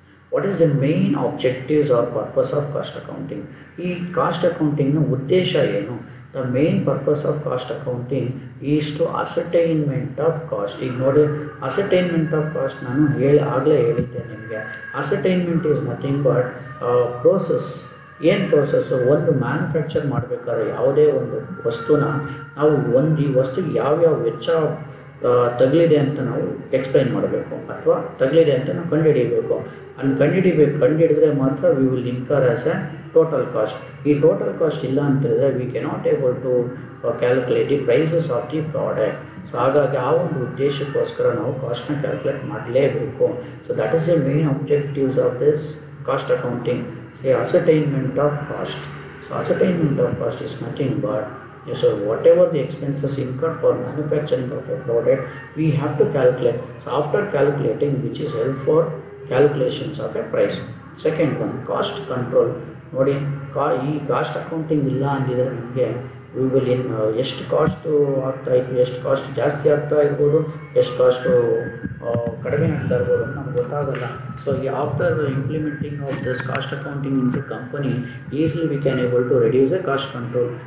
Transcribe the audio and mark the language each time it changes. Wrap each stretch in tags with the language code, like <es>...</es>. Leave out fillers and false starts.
<en>What is the main objectives or purpose of cost accounting? Cost accounting</en> <kn>no uddesha yenu.</kn> <en>The main purpose of cost accounting is to ascertainment of cost.</en> <kn>Ignore ascertainment of cost nanu agle helithene nimge.</kn> <en>Ascertainment is nothing but process.</en> <kn>ಏನು process? ಒಂದು manufacture ಮಾಡಬೇಕಾದ್ರೆ ಯಾವುದೇ ಒಂದು ವಸ್ತುನ ನಾವು ಒಂದು ಈ ವಸ್ತುಗೆ ಯಾವ್ಯಾವ ವೆಚ್ಚ ತಗಲಿದೆ ಅಂತ ನಾವು ಎಕ್ಸ್ಪ್ಲೈನ್ ಮಾಡಬೇಕು ಅಥವಾ ತಗಲಿದೆ ಅಂತ ನಾವು ಕಂಡುಹಿಡಿಯಬೇಕು. ಅಲ್ಲಿ ಕಂಡುಹಿಡಿದ್ರೆ ಮಾತ್ರ</kn> <en>We will incur as a total cost.</en> <kn>ಈ ಟೋಟಲ್ ಕಾಸ್ಟ್ ಇಲ್ಲ ಅಂತ ಹೇಳಿದ್ರೆ</kn> <en>We cannot able to calculate the prices of the product.</en> <kn>So ಹಾಗಾಗಿ ಆ ಒಂದು ಉದ್ದೇಶಕ್ಕೋಸ್ಕರ ನಾವು ಕಾಸ್ಟ್ನ ಕ್ಯಾಲ್ಕುಲೇಟ್ ಮಾಡಲೇಬೇಕು.</kn> <en>So that is a main objectives of this cost accounting. The ascertainment of cost. So ascertainment of cost is nothing but so whatever the expenses incurred for manufacturing of a product, we have to calculate. So after calculating, which is help for calculations of a price. Second one, cost control.</en> <kn>ನೋಡಿ cost accounting ಇಲ್ಲ ಅಂದಿದ್ರೆ ನಮಗೆ we will ಇನ್ ಎಷ್ಟು cost ಆಗ್ತಾ ಇತ್ತು, ಎಷ್ಟು cost ಜಾಸ್ತಿ ಆಗ್ತಾ ಇರ್ಬೋದು, ಎಷ್ಟು ಕಾಸ್ಟು ಕಡಿಮೆ ಆಗ್ತಾ ಇರ್ಬೋದು ಅಂತ ನಮ್ಗೆ ಗೊತ್ತಾಗಲ್ಲ.</kn> <en>So ಈ after implementing of this cost accounting into company, easily we can able to reduce a cost control.</en>